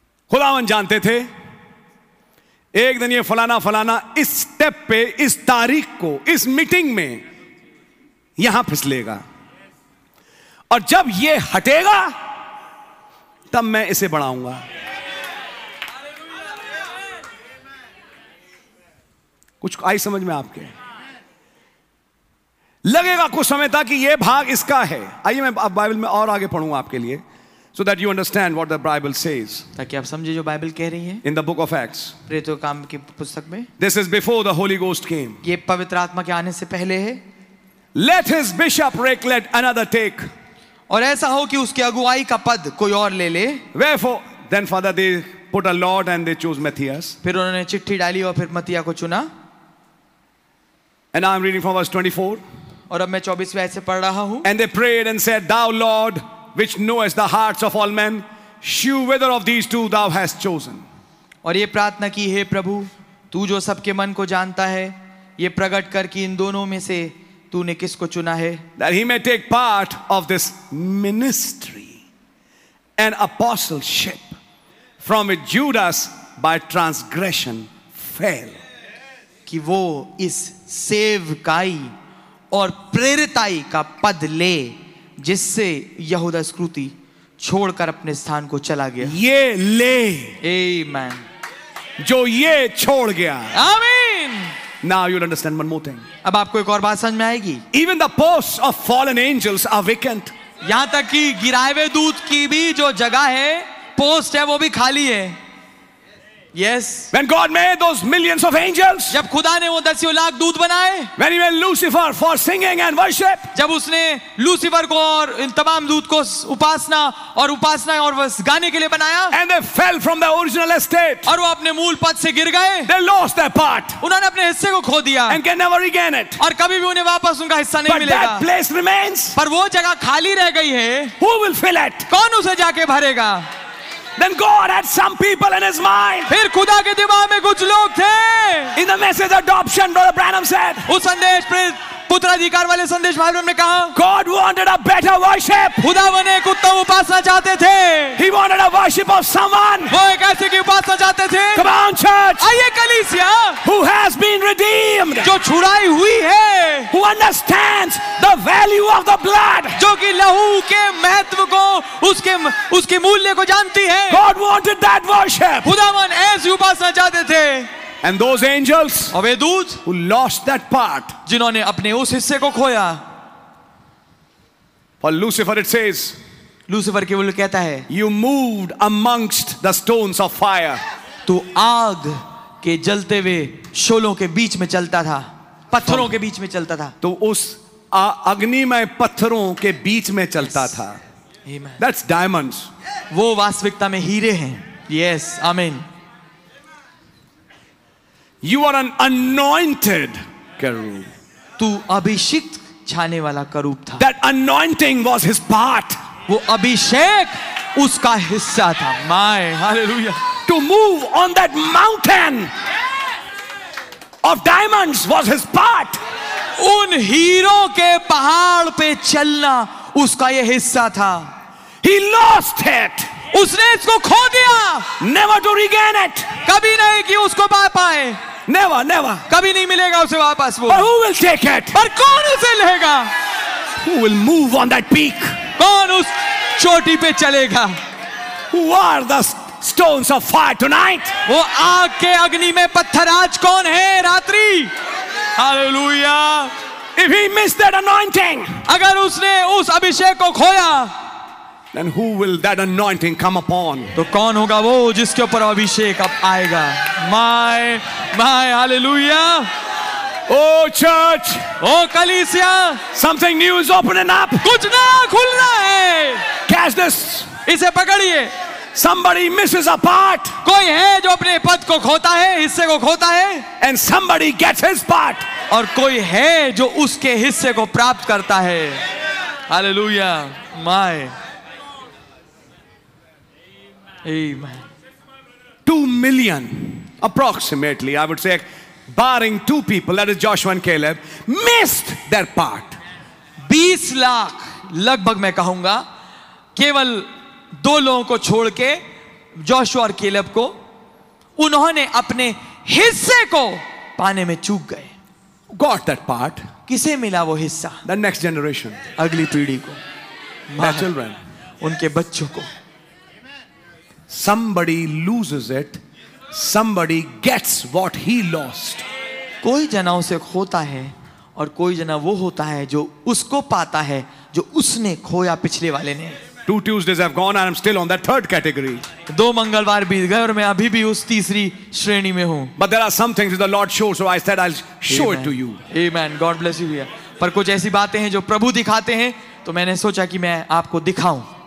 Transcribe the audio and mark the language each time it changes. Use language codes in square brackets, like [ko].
[hi] खुदावन जानते थे एक दिन ये फलाना फलाना इस स्टेप पे, इस तारीख को, इस मीटिंग में यहां फिसलेगा, और जब ये हटेगा तब मैं इसे बढ़ाऊंगा। कुछ आई समझ में आपके? लगेगा कुछ समय तक कि यह भाग इसका है। आइए मैं अब बाइबल में और आगे पढ़ूंगा आपके लिए, [en] So that you understand what the Bible says. [hi] ताकि आप समझे जो बाइबल कह रही है. [en] In the book of Acts. [hi] प्रेरितों काम की पुस्तक में. [en] This is before the Holy Ghost came. [hi] ये पवित्र आत्मा के आने से पहले है. [en] Let his bishopric let another take. [hi] और ऐसा हो कि उसके अगुवाई का पद कोई और ले ले. [en] Wherefore, then Father they put a lot and they chose Matthias. [hi] फिर उन्होंने चिट्ठी डाली और फिर मत्तिया को चुना. [en] And I'm reading from verse 24. [hi] और अब मैं 24वें आयत से पढ़ रहा हूँ. [en] And they prayed and said, Thou Lord, which knowest the hearts of all men, shew whether of these two Thou hast chosen. [hi] और ये प्रार्थना की, हे प्रभु, तू जो सबके मन को जानता है, ये प्रकट कर कि इन दोनों में से तूने किसको चुना है. [en] That he may take part of this ministry and apostleship from which Judas by transgression fell. [hi] कि वो इस सेवकाई और प्रेरिताई का पद ले जिससे यहूदा स्क्रूति छोड़कर अपने स्थान को चला गया. ये ले, आमीन, जो ये छोड़ गया. आमीन. [en] Now you'll understand one more thing. [hi] अब आपको एक और बात समझ में आएगी. [en] Even the posts of fallen angels are vacant. [hi] यहां तक कि गिराए हुए दूत की भी जो जगह है, पोस्ट है, वो भी खाली है. [en] Yes. When God made those millions of angels. [hi] जब खुदा ने वो दसियों लाख दूत बनाए. [en] When he made Lucifer for singing and worship. [hi] जब उसने लूसीफर को और इन तमाम दूत को उपासना और बस गाने के लिए बनाया. [en] And they fell from their original estate. [hi] और वो अपने मूल पद से गिर गए. [en] They lost their part. [hi] उन्होंने अपने हिस्से को खो दिया. [en] And can never regain it. [hi] और कभी भी उन्हें वापस उनका हिस्सा नहीं मिलेगा. [en] But that place remains. [hi] पर वो जगह खाली रह गई है. [en] Who will fill it? [hi] कौन उसे जाके भरेगा? [en] Then God had some people in his mind. [hi] फिर खुदा के दिमाग में कुछ लोग थे. [en] In the message adoption, Brother Branham said. [hi] उस संदेश पुत्राधिकार वाले संदेश भाई ने कहा. [en] God wanted a better worship. [hi] खुदा वने एक उत्तम उपासना चाहते थे. [en] He wanted a worship of someone. [hi] वो एक ऐसे की उपासना चाहते थे. [en] Come on, church. [hi] आइए कलीसिया. [en] Who has been redeemed? [hi] जो छुड़ाई हुई है. [en] Who understands the value of the blood? [hi] जो कि लहू के महत्व को उसके उसके मूल्य को जानती है. [en] God wanted that worship. [hi] खुदा वन ऐसी उपासना चाहते थे. [en] And those angels Avedut, who lost that part, [hi] जिन्होंने अपने उस हिस्से को खोया. [en] For Lucifer it says, [hi] Lucifer केवल कहता है, [en] you moved amongst the stones of fire. [hi] तू आग के जलते हुए शोलों के बीच में चलता था, पत्थरों के बीच में चलता था. तो उस अग्निमय पत्थरों के बीच में चलता था. [en] Amen. That's diamonds. [hi] वो वास्तविकता में हीरे हैं. [en] Yes, amen. You are an anointed cherub. [hi] तू अभिषिक छाने वाला करूब था. [en] That anointing was his part. [hi] वो अभिषेक उसका हिस्सा था. [en] My hallelujah. To move on that mountain of diamonds was his part. [hi] उन हीरों के पहाड़ पे चलना उसका ये हिस्सा था. [en] He lost it. [hi] उसने इसको खो दिया. [en] Never to regain it. [hi] कभी नहीं कि उसको पा पाए. [en] Never, never. [hi] कभी नहीं मिलेगा उसे वापस वो. [en] But who will take it? [hi] पर कौन उसे लेगा? [en] Who will move on that peak? [hi] कौन उस चोटी पे चलेगा? [en] Who are the stones of fire tonight? [hi] वो आग के अग्नि में पत्थर आज कौन है रात्रि? [en] Hallelujah. If he missed that anointing, [hi] अगर उसने उस अभिषेक को खोया, [en] then who will that anointing come upon? [hi] तो कौन होगा वो जिसके ऊपर अभिषेक अब आएगा? [en] My, my, hallelujah. Oh church, [hi] oh kalisya, [en] something new is opening up. [hi] कुछ नया खुलना है. [en] Catch this. [hi] इसे पकड़िए. [en] Somebody misses a part. [hi] कोई है जो अपने पद को खोता है, हिस्से को खोता है. [en] And somebody gets his part. [hi] और कोई है जो उसके हिस्से को प्राप्त करता है. [en] Hallelujah. My. Amen. 2 million, approximately, I would say, barring two people, that is Joshua and Caleb, missed their part. [hi] 20 lakh, लगभग मैं कहूँगा, केवल दो लोगों को छोड़के, Joshua और Caleb को, उन्होंने अपने हिस्से को पाने में चूक गए. [en] Got that part. [hi] किसे मिला वो हिस्सा? [en] The next generation. [hi] अगली पीढ़ी को. [en] Their children. [hi] उनके बच्चों को. [en] Somebody loses it, somebody gets what he lost. [hi] कोई जना उसे खोता है और कोई जना वो होता है जो उसको पाता है जो उसने खोया पिछले वाले ने. [en] Two Tuesdays have gone and I'm still on that third category. [hi] दो मंगलवार बीत गए और मैं अभी भी उस तीसरी श्रेणी में हूँ. [en] But there are some things that the Lord shows, so I said I'll show it to you. Amen. God bless you. [hi] पर कुछ ऐसी बातें हैं जो प्रभु दिखाते हैं, तो मैंने सोचा कि मैं आपको दिखाऊं.